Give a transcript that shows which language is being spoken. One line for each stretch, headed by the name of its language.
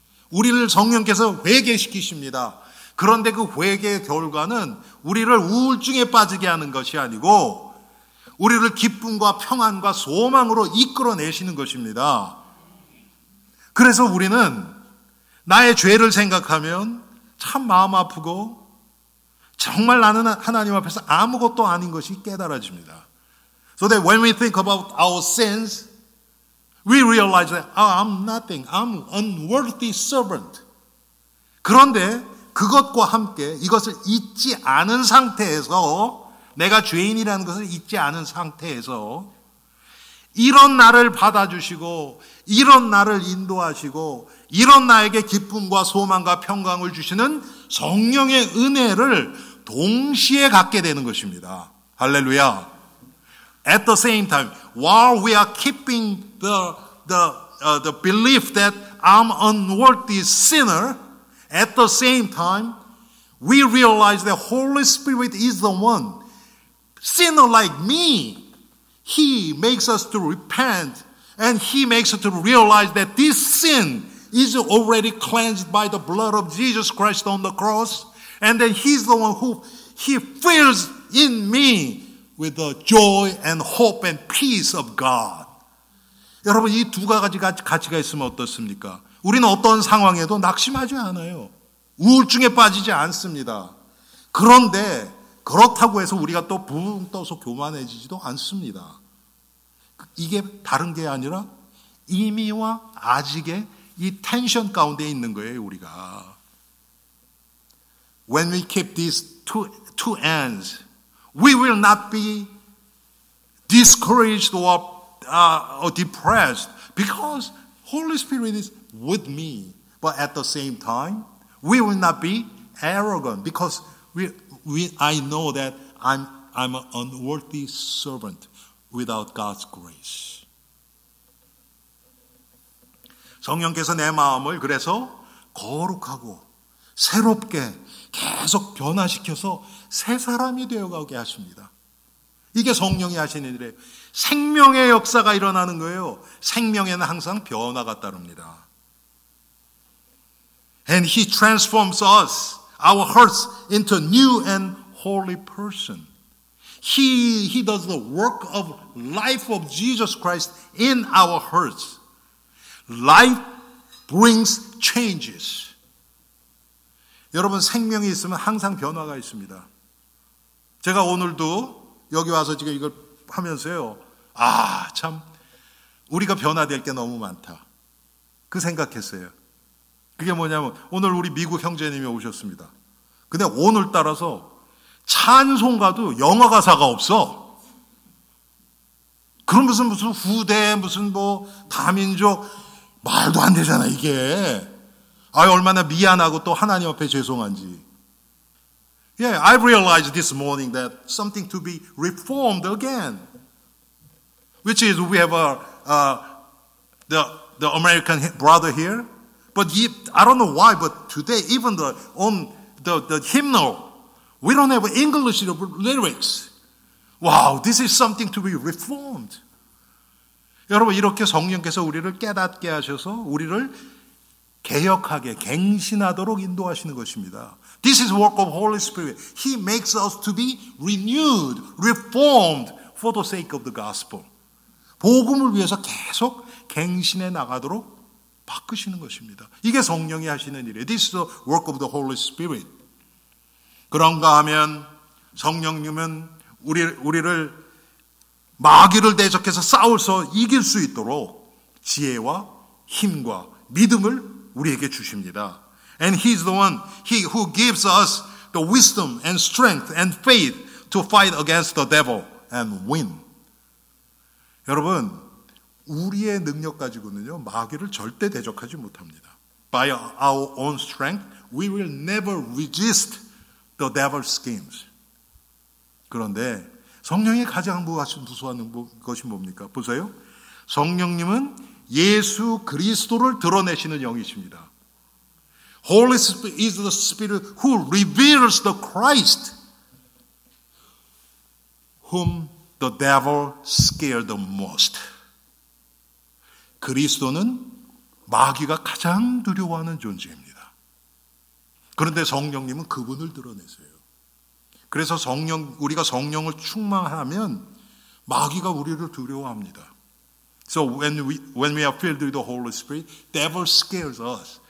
Korean: 우리를 성령께서 회개시키십니다. 그런데 그 회개의 결과는 우리를 우울증에 빠지게 하는 것이 아니고 우리를 기쁨과 평안과 소망으로 이끌어내시는 것입니다. 그래서 우리는 나의 죄를 생각하면 참 마음 아프고 정말 나는 하나님 앞에서 아무것도 아닌 것이 깨달아집니다.
English: So that when we think about our sins, we realize that I'm nothing. I'm an unworthy servant.
Korean: 그런데 그것과 함께 이것을 잊지 않은 상태에서 내가 죄인이라는 것을 잊지 않은 상태에서 이런 나를 받아주시고 이런 나를 인도하시고 이런 나에게 기쁨과 소망과 평강을 주시는 성령의 은혜를 동시에 갖게 되는 것입니다. 할렐루야.
English: At the same time, while we are keeping the belief that I'm unworthy sinner, at the same time, we realize that Holy Spirit is the one. Sinner like me, He makes us to repent and He makes us to realize that this sin is already cleansed by the blood of Jesus Christ on the cross and that He's the one who He fills in me with the joy and hope and peace of God.
Korean: 여러분, 이 두 가지가 가치가 있으면 어떻습니까? 우리는 어떤 상황에도 낙심하지 않아요. 우울증에 빠지지 않습니다. 그런데 그렇다고 해서 우리가 또 붕 떠서 교만해지지도 않습니다. 이게 다른 게 아니라 이미와 아직의 이 텐션 가운데 있는 거예요, 우리가.
English: When we keep these two ends, we will not be discouraged or depressed because Holy Spirit is with me. But at the same time, we will not be arrogant because I know that I'm an unworthy servant without God's grace.
Korean: 성령께서 내 마음을 그래서 거룩하고 새롭게 계속 변화시켜서 새 사람이 되어가게 하십니다. 이게 성령이 하시는 일이에요. 생명의 역사가 일어나는 거예요. 생명에는 항상 변화가 따릅니다.
English: And He transforms us, our hearts, into a new and holy person. He does the work of life of Jesus Christ in our hearts. Life brings changes.
Korean: 여러분, 생명이 있으면 항상 변화가 있습니다. 제가 오늘도 여기 와서 지금 이걸 하면서요. 아, 참 우리가 변화될 게 너무 많다. 그 생각했어요. 그게 뭐냐면 오늘 우리 미국 형제님이 오셨습니다. 근데 오늘 따라서 찬송가도 영어 가사가 없어. 그럼 무슨 후대, 무슨 뭐 다민족, 말도 안 되잖아 이게. 아, 얼마나 미안하고 또 하나님 앞에 죄송한지.
English: Yeah, I realized this morning that something to be reformed again. Which is we have the American brother here. But he, I don't know why, but today even the hymnal, we don't have English lyrics. Wow, this is something to be reformed.
Korean: 여러분, 이렇게 성령께서 우리를 깨닫게 하셔서 우리를 개혁하게 갱신하도록 인도하시는 것입니다.
English: This is the work of Holy Spirit. He makes us to be renewed, reformed for the sake of the gospel.
Korean: 복음을 위해서 계속 갱신해 나가도록 바꾸시는 것입니다. 이게 성령이 하시는 일이에요.
English: This is the work of the Holy Spirit.
Korean: 그런가 하면 성령님은 우리를 마귀를 대적해서 싸워서 이길 수 있도록 지혜와 힘과 믿음을 우리에게 주십니다.
English: And he's the one he who gives us the wisdom and strength and faith to fight against the devil and win.
Korean: 여러분, 우리의 능력 가지고는요, 마귀를 절대 대적하지 못합니다.
English: By our own strength, we will never resist the devil's schemes.
Korean: 그런데 성령이 가장 부수하는 것이 뭡니까? 보세요. 성령님은 예수 그리스도를 드러내시는 영이십니다.
English: Holy Spirit is the Spirit who reveals the Christ whom the devil scared the most.
Korean: 그리스도는 마귀가 가장 두려워하는 존재입니다. 그런데 성령님은 그분을 드러내세요. 그래서 성령, 우리가 성령을 충만하면 마귀가 우리를 두려워합니다.
English: So when we are filled with the Holy Spirit, devil scares us.